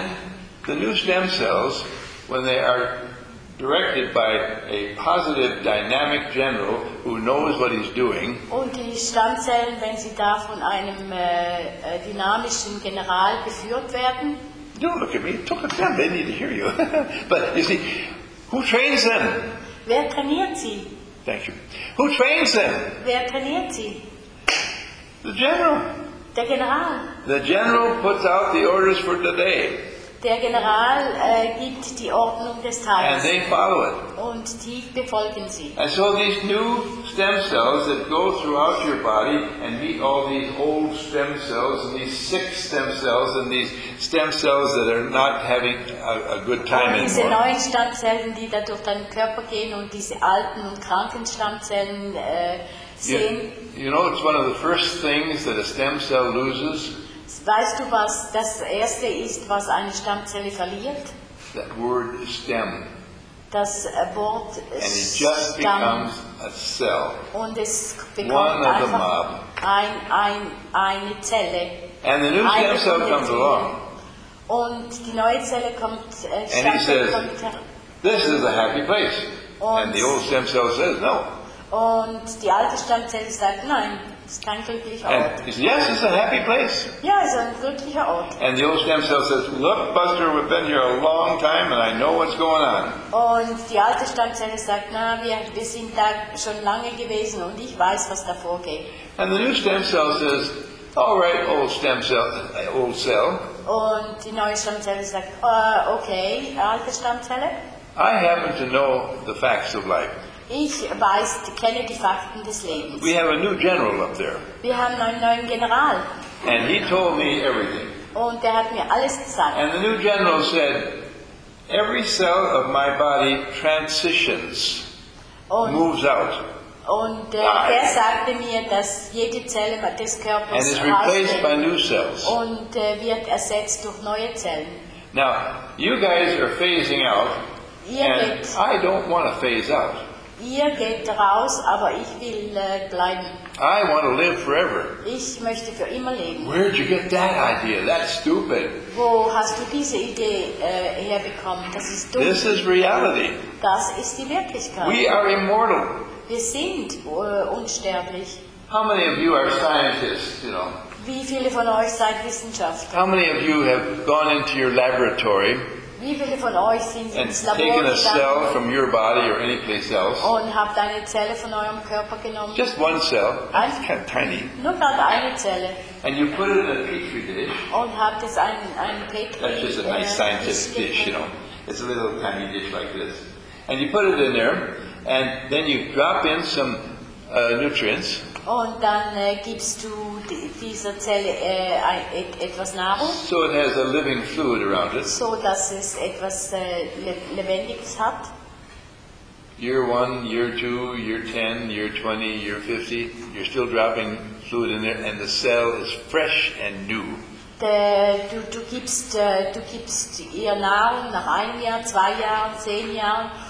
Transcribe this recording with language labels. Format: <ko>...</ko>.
<en>And the new stem cells, when they are directed by a positive, dynamic general who knows what he's doing,</en> <de>und die Stammzellen, wenn sie da von einem dynamischen General geführt werden,</de> <en>don't look at me, talk at them, they need to hear you. But you see, who trains them?</en> <de>Wer trainiert sie?</de> <en>Thank you. Who trains them?</en> <de>Wer trainiert sie?</de> <en>The general.</en> <de>Der General.</de> <en>The general puts out the orders for the day.</en> <de>Der General gibt die Ordnung des Tages.</de> <en>And they follow it.</en> <de>Und die befolgen sie.</de> <en>And so these new stem cells that go throughout your body and meet all these old stem cells and these sick stem cells and these stem cells that are not having a good time</en> <de>diese</de> <en>anymore.</en> <de>Diese neuen Stammzellen, die da durch deinen Körper gehen und diese alten und kranken Stammzellen sehen.</de> <en>You know, it's one of the first things that a stem cell loses.</en> <de>Weißt du, was das Erste ist, was eine Stammzelle verliert?</de> <en>That word stem.</en> <de>Das Wort Stamm.</de> <en>And it just becomes a cell.</en> <de>Und es bekommt einfach eine Zelle.</de> <en>And the new stem cell comes along.</en> <de>Und die neue Zelle kommt.</de> <en>And he says, this is a happy place. And the old stem cell says, no.</en> <de>Und die alte Stammzelle sagt, nein. Es kein glücklicher Ort.</de> <en>Yes, it's a happy place.</en> <de>Ja, es ist ein glücklicher Ort.</de> <en>And the old stem cell says, look, Buster, we've been here a long time and I know what's going on.</en> <de>Und die alte Stammzelle sagt, na, wir sind da schon lange gewesen und ich weiß, was da vorgeht.</de> <en>And the new stem cell says, all right, old stem cell, old cell.</en> <de>Und die neue Stammzelle sagt, okay, alte Stammzelle.</de> <en>I happen to know the facts of life.</en> <de>Ich weiß, kenne die Fakten des Lebens.</de> <en>We have a new general up there.</en> <de>Wir haben einen neuen General.</de> <en>And he told me everything.</en> <de>Und er hat mir alles gesagt.</de> <en>And the new general said, every cell of my body transitions,</en> <de>und</de> <en>moves out.</en> <de>Und er sagte mir, dass jede Zelle des Körpers</de> <en>and is replaced by new cells.</en> <de>Und wird ersetzt durch neue Zellen.</de> <en>Now, you guys are phasing out, and I don't want to phase out.</en> <de>Ihr geht raus, aber ich will bleiben.</de> <en>I want to live forever.</en> <de>Ich möchte für immer leben.</de> <en>Where did you get that idea? That's stupid.</en> <de>Wo hast du diese Idee herbekommen? Das ist dumm.</de> <en>This is reality.</en> <de>Das ist die Wirklichkeit.</de> <en>We are immortal.</en> <de>Wir sind unsterblich.</de> <en>How many of you are scientists, you know?</en> <de>Wie viele von euch seid Wissenschaftler?</de> <en>How many of you have gone into your laboratory?</en> <de>Wie viele von euch sind</de> <en>and</en> <de>ins Labor</de> <en>taken a cell from your body or any place else?</en> <de>Und habt eine Zelle von eurem Körper genommen?</de> <en>Just one cell. It's kind of tiny.</en> <de>Nur gerade eine Zelle.</de> <en>And you put it in a petri dish.</en> <de>Und habt es ein Petri dish.</de> <en>That's just a nice scientific dish, you know. It's a little tiny dish like this. And you put it in there, and then you drop in some nutrients.</en> <de>Und dann gibst du dieser Zelle etwas Nahrung.</de> <en>So it has a living fluid around it.</en> <de>So dass es etwas Lebendiges hat.</de> <en>Year 1, year 2, year 10, year 20, year 50. You're still dropping fluid in there and the cell is fresh and new.</en> <de>Du gibst ihr Nahrung nach 1 Jahr, 2 Jahr, 10 Jahr.</de>